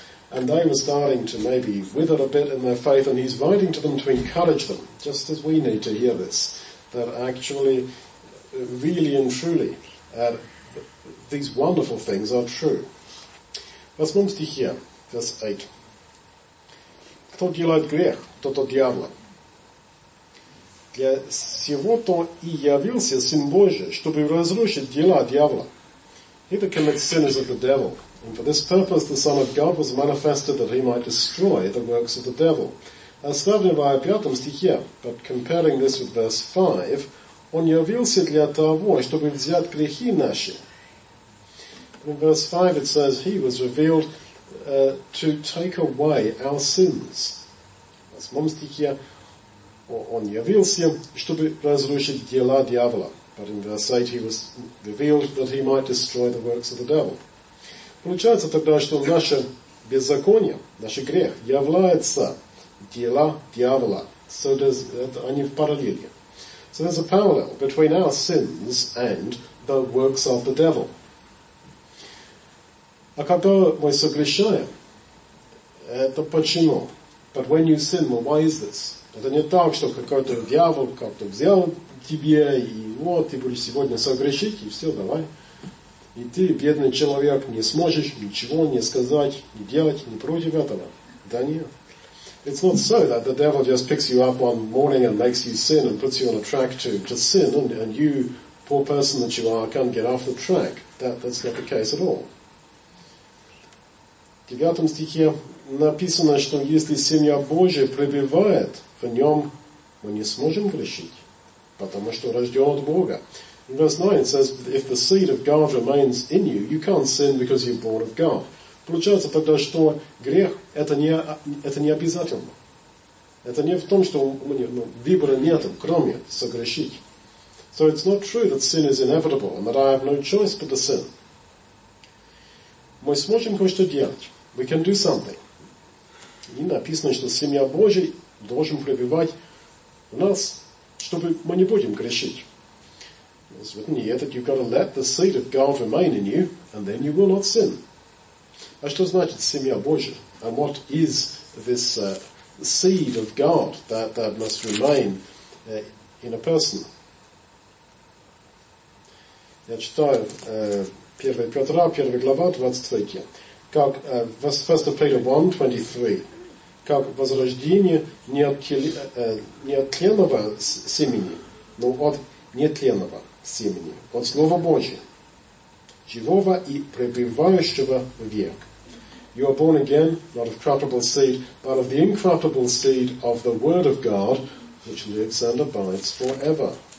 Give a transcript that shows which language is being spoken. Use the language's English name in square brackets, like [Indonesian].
[English] And they were starting to maybe wither a bit in their faith, and he's writing to them to encourage them, just as we need to hear this, that actually, really and truly, these wonderful things are true. Was kommst du hier? Vers 8. [Russian] Кто делает грех, тот от дьявола. Для сего-то и явился Сын Божий, чтобы разрушить дела дьявола. [English] He that commits sin is of the devil. And for this purpose the Son of God was manifested, that he might destroy the works of the devil. [Russian] Оставляя в пятом стихе, [English] but comparing this with verse 5, [Russian] он явился для того, чтобы взять грехи наши. [English] In verse 5 it says, he was revealed to take away our sins. [Russian] Восьмом стихе, он явился, чтобы разрушить дела дьявола. [English] But in verse 8 he was revealed that he might destroy the works of the devil. [Russian] Получается тогда, что наше беззаконие, наш грех, является дела дьявола. So они в параллели. [English] So there's a parallel between our sins and the works of the devil. [Russian] А когда мы согрешаем, это почему? [English] But when you sin, well, why is this? [Russian] Это не так, что какой-то дьявол как-то взял тебе, и вот, ты будешь сегодня согрешить, и все, давай. И ты, бедный человек, не сможешь ничего не сказать, не делать, не против этого. Да нет. [English] It's not so that the devil just picks you up one morning and makes you sin and puts you on a track to sin, and you, poor person that you are, can't get off the track. That's not the case at all. [Russian] В 9 стихе написано, что если семья Божия пребывает в нем, мы не сможем грешить, потому что рожден от Бога. [English] In verse 9 it says, if the seed of God remains in you, you can't sin because you're born of God. [Russian] Получается тогда, что грех это не обязательно. Это не в том, что выбора нет, кроме согрешить. [English] So it's not true that sin is inevitable and that I have no choice but to sin. [Russian] Мы сможем кое-что делать. [English] We can do something. [Russian] И написано, что семья Божия должен пребывать в нас, чтобы мы не будем грешить. [English] It's written here that you've got to let the seed of God remain in you, and then you will not sin. [Russian] А что значит семья Божия? [English] And what is this seed of God that must remain in a person? [Russian] Я читаю 1 Петра, 1 глава, 23. Как, 1 Петра 1, 23. Как возрождение не от тленного семени, но от нетленного семени, от Слова Божия, живого и пребывающего в век. [English] You are born again, not of corruptible seed, but of the incorruptible seed of the Word of God, which lives and abides forever.